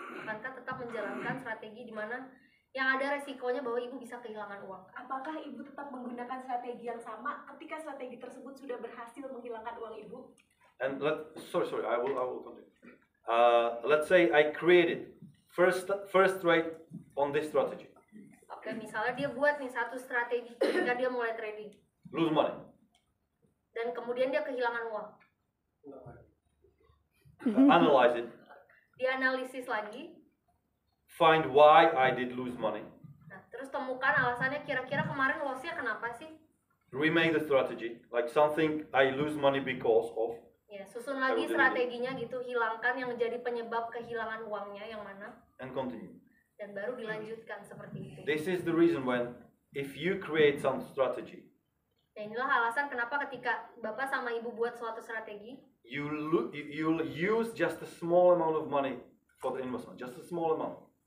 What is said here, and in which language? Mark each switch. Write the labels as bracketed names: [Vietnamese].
[Indonesian] Akankah tetap menjalankan strategi di mana yang ada resikonya bahwa ibu bisa kehilangan uang? Apakah ibu tetap menggunakan strategi yang sama ketika strategi tersebut sudah berhasil menghilangkan uang ibu? [English] And sorry, I will continue. Let's say I created first trade on this strategy. [Indonesian] Oke, misalnya dia buat nih satu strategi ketika dia mulai trading. [English] Lose money. [Indonesian] Dan kemudian dia kehilangan uang. [English] Analyze it. [Indonesian] Dianalisis lagi. [English] Find why I did lose money. [Indonesian] Nah, terus temukan alasannya kira-kira kemarin loss-nya kenapa sih? [English] Remake the strategy, like something I lose money because of. [Indonesian] Ya, susun lagi strateginya gitu, hilangkan yang menjadi penyebab kehilangan uangnya yang mana. [English] And continue. [Indonesian] Dan baru dilanjutkan seperti itu. [English] This is the reason when if you create some strategy. [Indonesian] Nah, inilah alasan kenapa ketika Bapak sama Ibu buat suatu strategi, [English] you'll use just a small amount of money for the investment, just a small amount.